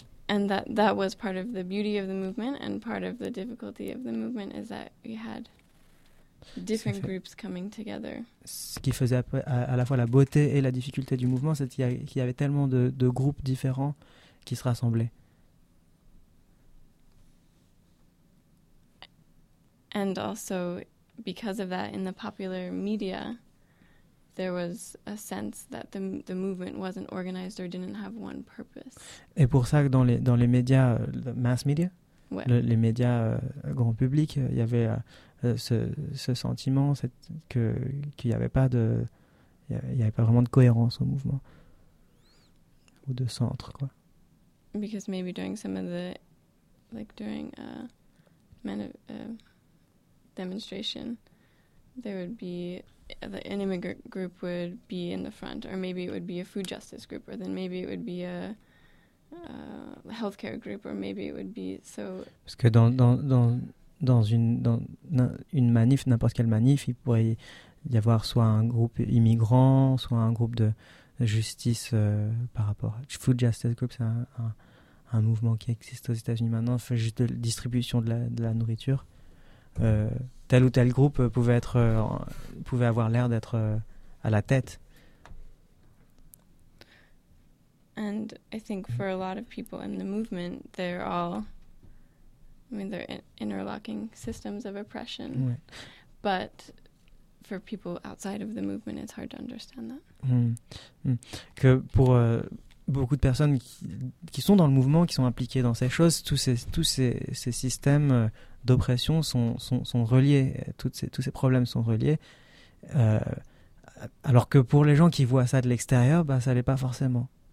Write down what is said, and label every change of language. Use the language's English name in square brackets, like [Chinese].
[English] And that was part of the beauty of the movement, and part of the difficulty of the movement is that we had different groups coming together. [French] Ce qui faisait à la fois la beauté et la difficulté du mouvement, c'est qu'il y avait tellement de groupes différents qui se rassemblaient. [English] And also, because of that, in the popular media, there was a sense that the movement wasn't organized or didn't have one purpose. [French] Et pour ça, dans les médias, [English] the mass media, [French] ouais. les médias grand public, il y avait ce sentiment qu'il n'y avait pas de il y avait pas vraiment de cohérence au mouvement ou de centre, quoi. [English] Because maybe during some of the like during a demonstration there would be an immigrant group would be in the front, or maybe it would be a food justice group, or then maybe it would be a healthcare group, or maybe it would be so. [French] Parce que dans une manif, n'importe quelle manif, il pourrait y avoir soit un groupe immigrant, soit un groupe de justice par rapport à... Food Justice Group, c'est un mouvement qui existe aux États-Unis maintenant, fait juste de distribution de la nourriture. Tel ou tel groupe pouvait avoir l'air d'être à la tête. [English] And I think for a lot of people in the movement, they're all... I mean, they're interlocking systems of oppression. Ouais. But for people outside of the movement, it's hard to understand that. [French] Que pour beaucoup de personnes qui sont dans le mouvement, qui sont impliquées dans ces choses, tous ces systèmes d'oppression sont reliés. Tous ces problèmes sont reliés. Alors que pour les gens qui voient ça de l'extérieur, ça ne l'est pas forcément.